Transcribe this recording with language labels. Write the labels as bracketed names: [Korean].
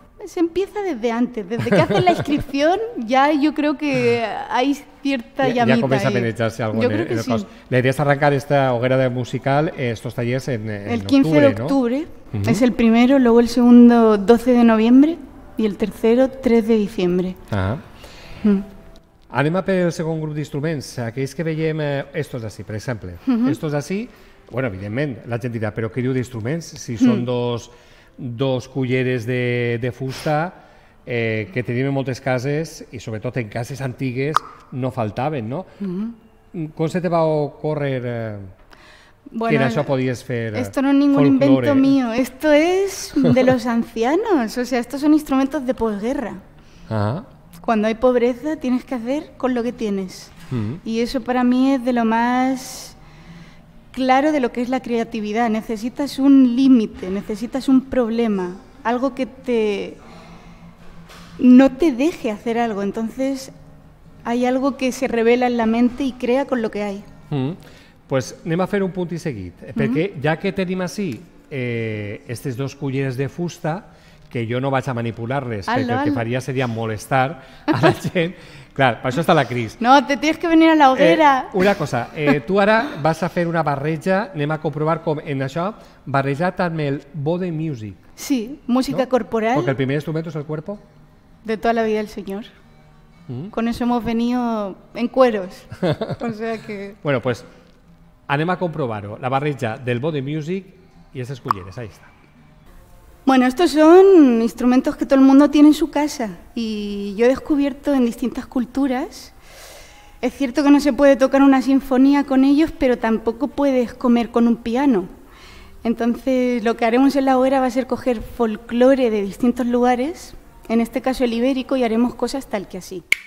[Spanish] Se empieza desde antes, desde que hacen la inscripción ya yo creo que hay cierta llamita ya comienza a penetrarse algo yo en creo el que sí. La idea es arrancar esta hoguera de musical, estos talleres en el 15 octubre, de octubre, ¿no? Es el primero, luego el segundo 12 de noviembre y el tercero 3 de diciembre. [Catalan] Anem a per el segon grup d'instruments, aquells que veiem, estos així, per exemple, estos així, bueno, evidentment, la gent dirà, però què diu d'instruments, si són dos culleres de fusta que tenim en moltes cases i sobretot en cases antigues no faltaven, no? Com se te va ocórrer que això podies fer? [Spanish] Esto no es ningún invento mío, esto es de los ancianos, o sea, estos son instrumentos de posguerra. Cuando hay pobreza tienes que hacer con lo que tienes. Y eso para mí es de lo más claro de lo que es la creatividad. Necesitas un límite, necesitas un problema, algo que no te deje hacer algo. Entonces hay algo que se revela en la mente y crea con lo que hay. [Catalan] Pues anem a fer un punt i seguit, perquè ja que tenim així aquestes dos culleres de fusta, que jo no vaig a manipular-les, perquè el que faria seria molestar a la gent. Clar, per això està la Cris. [Spanish] No, te tienes que venir a la hoguera. [Catalan] Una cosa, tu ara vas a fer una barreja, anem a comprovar com en això, barrejar també el body music. [Spanish] Sí, música corporal. [Catalan] Perquè el primer instrument és el cuerpo. De tota la vida del Senyor. [Spanish] Con eso hemos venido en cueros. O sea que... [Catalan] Bueno, pues anem a comprovar-ho. La barreja del body music i aquestes culleres, ahí està. [Spanish] Bueno, estos son instrumentos que todo el mundo tiene en su casa y yo he descubierto en distintas culturas. Es cierto que no se puede tocar una sinfonía con ellos, pero tampoco puedes comer con un piano. Entonces, lo que haremos en la hoguera va a ser coger folclore de distintos lugares, en este caso el ibérico, y haremos cosas tal que así.